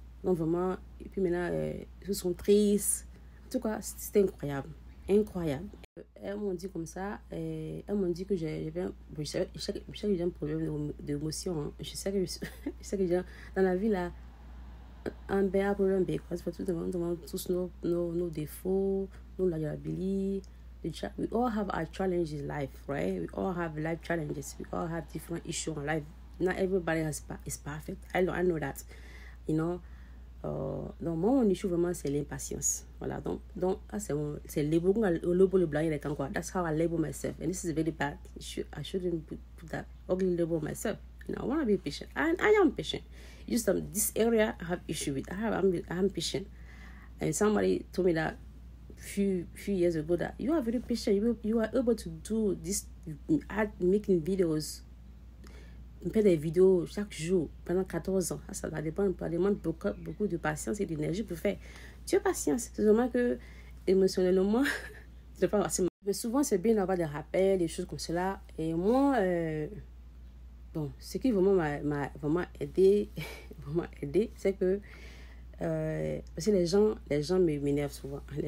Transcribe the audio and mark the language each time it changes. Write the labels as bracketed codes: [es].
[fr] Donc vraiment, et puis maintenant, ils sont tristes. En tout cas, c'était incroyable. Incroyable. Elles m'ont dit comme ça, elles m'ont dit que je sais que j'ai un problème d'émotion. Je sais que j'ai, dans la vie là, un B, un problème B quoi. C'est pas tout le monde, tous nos défauts, nos liabilities. [en] We all have our challenges in life, right? We all have life challenges. We all have different issues in life. Not everybody is perfect. I know that, you know. [fr] Donc moi mon issue vraiment c'est l'impatience. Voilà. Donc ah, c'est le blanc et le temps quoi. [en] That's how I label myself. And this is very bad. I shouldn't put that ugly label myself. You know, I want to be patient. I am patient. Just this area I have issue with. I'm patient. And somebody told me that few years ago that you are very patient. You are able to do this ad making videos. [fr] On fait des vidéos chaque jour pendant 14 ans. Ça dépend probablement de beaucoup de patience et d'énergie pour faire. Tu as patience. C'est seulement que émotionnellement, c'est pas assez mal. Mais souvent, c'est bien d'avoir des rappels, des choses comme cela. Et moi, bon, ce qui vraiment m'a vraiment aidé, c'est que parce que les gens m'énervent souvent.